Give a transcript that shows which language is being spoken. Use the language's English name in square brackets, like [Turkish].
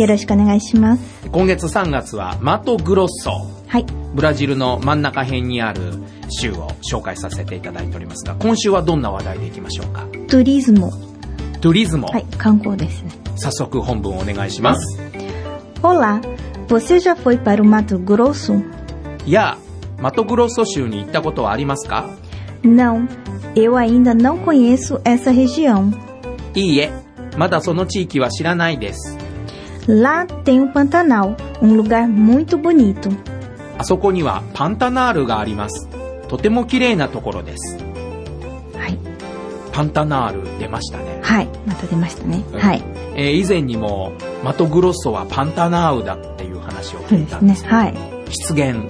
[Japanese] よろしくお願いします。今月3月はマトグロッソ、はい、ブラジルの真ん中辺にある州を紹介させていただいておりますが、今週はどんな話題でいきましょうか。トゥリズモ。トゥリズモ、はい、観光ですね。早速本文お願いします。 [Portuguese] Hola, você já foi para o Mato Grosso? [Japanese] やあ、マトグロッソ州に行ったことはありますか。 [Portuguese] Não, eu ainda não conheço essa região. [Japanese] いいえ、まだその地域は知らないです。 [Portuguese] Lá tem o Pantanal, um lugar muito bonito. [Japanese] あそこにはパンタナールがあります。とても綺麗なところです。はい。パンタナール出ましたね。はい、また出ましたね。うん、はい、以前にもマトグロッソはパンタナールだっていう話を聞いたんですね。はい。湿原。